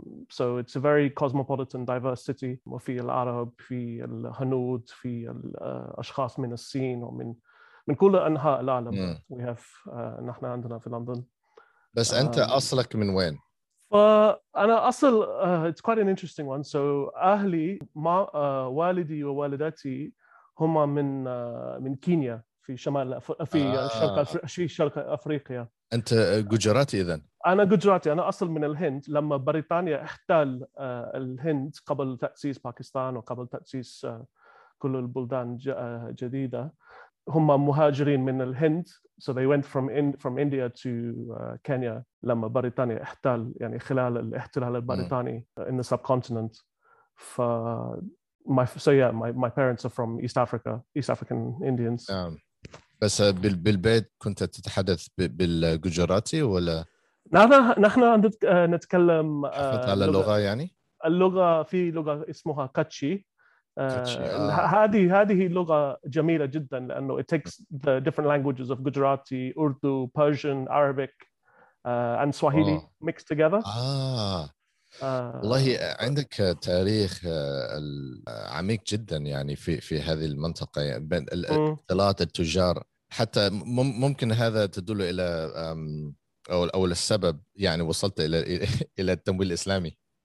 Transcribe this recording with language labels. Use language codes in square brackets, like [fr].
[en] So it's a very cosmopolitan, diverse city. [ar] وفي العرب، في الهنود، في الأشخاص من الصين ومن من كل أنحاء العالم. [en] We have [ar] نحن عندنا في لندن. بس أنت أصلك من وين؟ أنا أصل [en] it's quite an interesting one. [ar] So أهلي مع والدي ووالدتي هما من من كينيا في شمال في شرق في شرق أفريقيا. أنت جوجراتي إذن؟ أنا جوجراتي، أنا أصل من الهند. لما بريطانيا احتل الهند قبل تأسيس باكستان وقبل تأسيس كل البلدان الجديدة، هم مهاجرين من الهند. [en] So they went from India to Kenya [ar] لما بريطانيا احتل، يعني خلال الاحتلال البريطاني [en] in the subcontinent. My parents are from East Africa, East African Indians. [ar] بس بالبيت كنت تتحدث بالجوجراتي ولا؟ نحن نتكلم على اللغة يعني؟ اللغة في لغة اسمها كاتشي. هذه لغة جميلة جدا لأنه [en] it takes the different languages of Gujarati, Urdu, Persian, Arabic and Swahili mixed together. [ar] والله عندك تاريخ عميق جدا يعني في هذه المنطقة بين ثلاثة التجار. حتى ممكن هذا تدل إلى أو السبب يعني وصلت إلى التمويل الإسلامي.